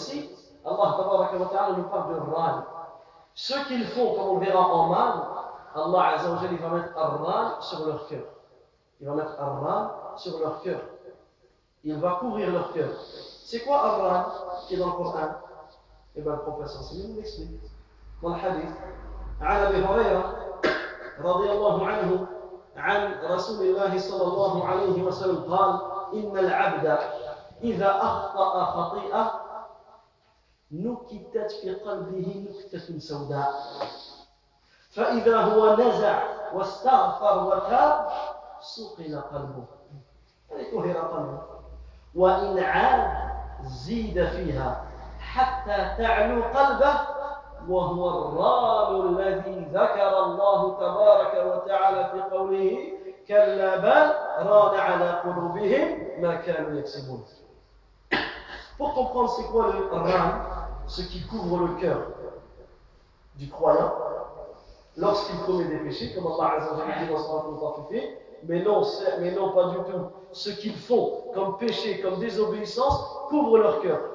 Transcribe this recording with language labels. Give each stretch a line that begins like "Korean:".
French: Ici, Allah tabaraka wa ta'ala nous parle de ral. Ce qu'ils font, comme on verra en mal, Allah Azza wa Jalla va mettre ar-ral sur leur cœur. Il va mettre ar-ral sur leur cœur. Il va couvrir leur cœur. C'est quoi ar-ral qui est dans le Coran? Eh bien, le prophète sallallahu alayhi wa sallam nous l'explique. Dans le hadith, à Abi Huraira,
Arabic: رضي الله عنه عن رسول الله صلى الله عليه وسلم قال إن العبد إذا أخطأ خطيئة نكتت في قلبه نكتة سوداء فإذا هو نزع واستغفر وتاب سقل قلبه طهر قلبه وإن عاد زيد فيها حتى تعلو قلبه وهو الرال الذي ذكر الله تبارك وتعالى في قوله كلا بل ران على قلوبهم ما كانوا يكسبون.
French: Pour comprendre c'est quoi le ran, ce qui couvre le cœur du croyant lorsqu'il commet des péchés, comme Allah Azza wa Jalla dit dans Sourate Al-Mutaffifin, mais non pas du tout. Ce qu'ils font comme péché, comme désobéissance, couvre leur cœur.